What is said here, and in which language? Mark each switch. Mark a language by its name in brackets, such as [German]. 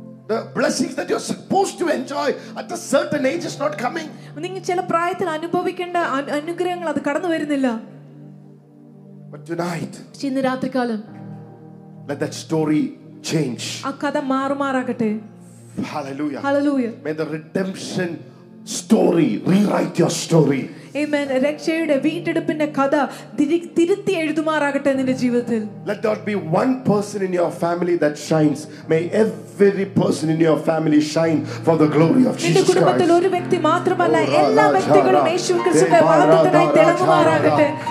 [English] The blessings that you're supposed to enjoy at a certain age is not coming. [Malayalam] നിങ്ങൾ ചില പ്രായത്തിൽ അനുഭവിക്കേണ്ട അനുഗ്രഹങ്ങൾ അത് കടന്നു വരുന്നില്ല. [English] But tonight. [Malayalam] ഇന്ന് രാത്രികാലം. [English] Let that story change. [Malayalam] ആ കഥ മാറുമാറാകട്ടെ. [English] Hallelujah. Hallelujah. May the redemption story rewrite your story. Amen. [Malayalam] രക്ഷയുടെ വീണ്ടെടുപ്പിന്റെ കഥ തിരുത്തി എഴുതുമാറാകട്ടെ നിന്റെ ജീവിതത്തിൽ. [English] Let there be one person in your family that shines. May every person in your family shine for the glory of Jesus Christ. [Malayalam] നിന്റെ കുടുംബത്തിലെ ഒരു വ്യക്തി മാത്രമല്ല എല്ലാ വ്യക്തികളും യേശുക്രിസ്തുവിന്റെ വാഹനത്തിനായി തിളങ്ങുമാറാകട്ടെ.